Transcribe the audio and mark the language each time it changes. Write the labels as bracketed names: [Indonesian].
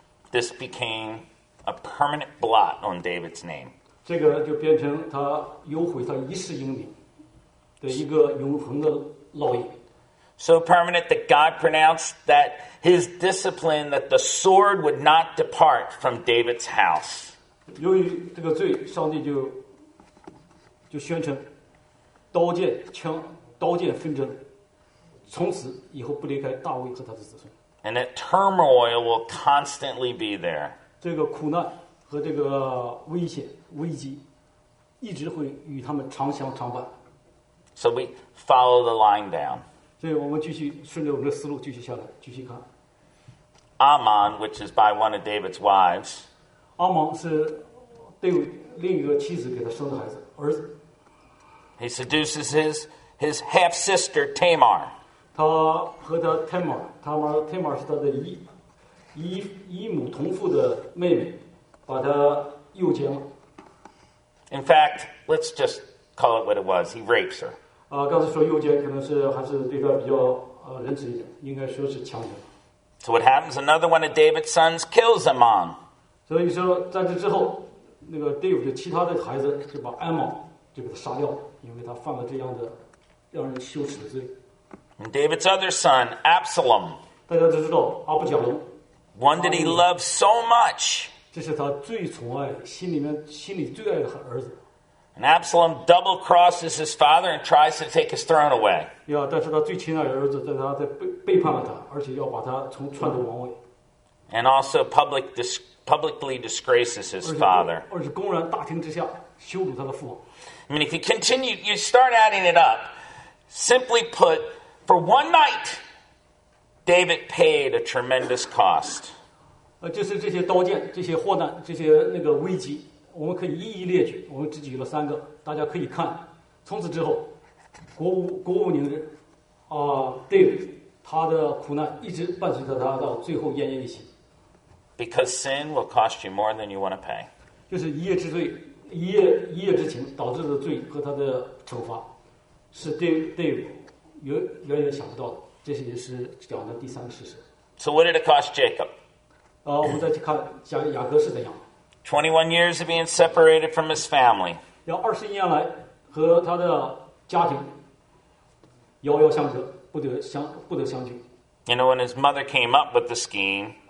[English] This became a permanent blot on David's name. [Chinese] 这个就变成他有毁他一世英名的一个永恒的烙印。 [English] So permanent that God pronounced that his discipline, that the sword would not depart from David's house. [Chinese] 由于这个罪，上帝就宣称刀剑枪刀剑纷争。从此以后不离开大卫和他的子孙。 [English] And that turmoil will constantly be there. [Chinese] 这个苦难和这个危险危机一直会与他们长相长伴。 [English] So we follow the line down. [Chinese] 所以我们继续顺着我们的思路继续下来继续看。 [English] Ammon, which is by one of David's wives. [Chinese] 阿蒙是对另一个妻子给他生的孩子儿子。 [English] He seduces his half-sister Tamar. [Chinese] 他和他 Tamar 是他的姨母同父的妹妹，把他诱奸了。 [English] In fact, let's just call it what it was. He rapes her. [Chinese] 刚才说诱奸可能是还是对他比较仁慈一点，应该说是强奸。 [English] So what happens? Another one of David's sons kills Ammon. [Chinese] 所以说在这之后，那个 David 的其他的孩子就把 Ammon 就给他杀掉，因为他犯了这样的让人羞耻的罪。 [English] And David's other son, Absalom. [Chinese] 大家都知道阿布贾龙。 [English] One that he loved so much. [Chinese] 这是他最宠爱，心里最爱的儿子。 [English] And Absalom double crosses his father and tries to take his throne away. [Chinese] 但是他最亲爱的儿子，但他在背叛了他，而且要把他从篡夺王位。 [English] And also publicly disgraces his father. [Chinese] 而且公然大庭之下羞辱他的父王。 [English] I mean, if you continue, you start adding it up. Simply put. For one night, David paid a tremendous cost. [Chinese] 就是这些刀剑、这些祸难、这些那个危机，我们可以一一列举。我们只举了三个，大家可以看。从此之后，国无宁日。David 他的苦难一直伴随着他到最后奄奄一息。 [English] Because sin will cost you more than you want to pay. [Chinese] 就是一夜之罪，一夜之情导致的罪和他的惩罚，是David。远远想不到的，这也是讲的第三个事实。 [English] So what did it cost Jacob? [Chinese] 我们再去看雅各是怎样。 [English] 21 years of being separated from his family. [Chinese] 要21年来和他的家庭遥遥相隔，不得相聚。 [English] You know when his mother came up with the scheme.